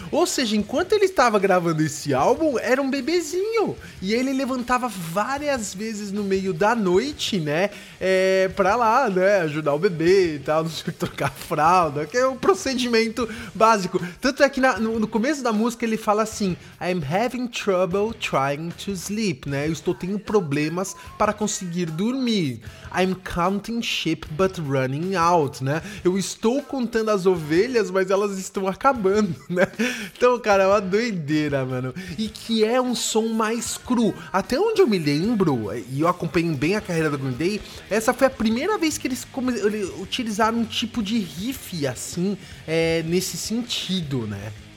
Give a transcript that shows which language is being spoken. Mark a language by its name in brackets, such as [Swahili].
[Portuguese] Ou seja, enquanto ele estava gravando esse álbum, era um bebezinho. E ele levantava várias vezes no meio da noite, né? Pra lá, né? Ajudar o bebê e tal, não sei, trocar a fralda, que é um procedimento básico. Tanto é que no começo da música ele fala assim: [English] I'm having trouble trying to sleep, né? [Portuguese] Eu estou tendo problemas para conseguir dormir. [English] I'm counting sheep but running out, né? [Portuguese] Eu estou contando as ovelhas, mas elas estão acabando, né? Então, cara, é uma doideira, mano. E que é um som mais cru. Até onde eu me lembro, e eu acompanho bem a carreira da Green Day, essa foi a primeira vez que eles utilizaram um tipo de riff assim, nesse sentido, né?